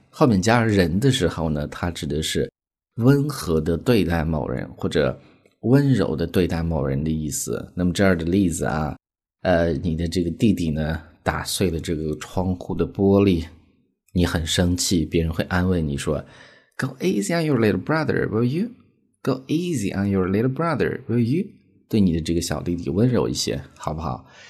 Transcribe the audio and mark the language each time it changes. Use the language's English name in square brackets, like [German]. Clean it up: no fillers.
[Chinese] 后面加人的时候呢，它指的是温和的对待某人或者温柔的对待某人的意思。那么这儿的例子啊，你的这个弟弟呢打碎了这个窗户的玻璃，你很生气，别人会安慰你说 [English] Go easy on your little brother, will you? Go easy on your little brother, will you? [Chinese] 对你的这个小弟弟温柔一些，好不好？